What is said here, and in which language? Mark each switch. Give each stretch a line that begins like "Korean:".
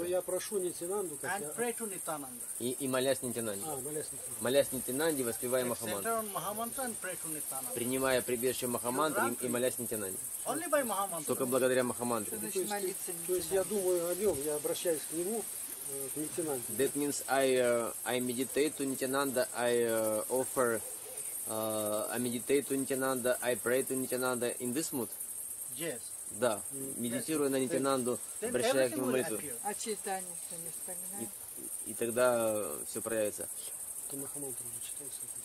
Russian: Но я прошу Нитинанду, как
English: and pray to Nitananda.
Russian: И молясь Нитинанде. Молясь Нитинанде, воспевая Махамантру.
English: Take shelter on Mahamantra and pray to Nitananda.
Russian: Принимая прибежище Махамантры и молясь Нитинанде.
English: Only by Mahamantra.
Russian: Только благодаря Махамантре. То есть я думаю о нем, я обращаюсь к нему.
English: That means I meditate to Nityananda, I meditate to Nityananda, I pray to Nityananda in this mood? Yes.
Russian: Да, медитирую на Нитинанду, обращаясь к нему молитву. А читание что не вспоминаю? И тогда все проявится. То Махамантру уже читается.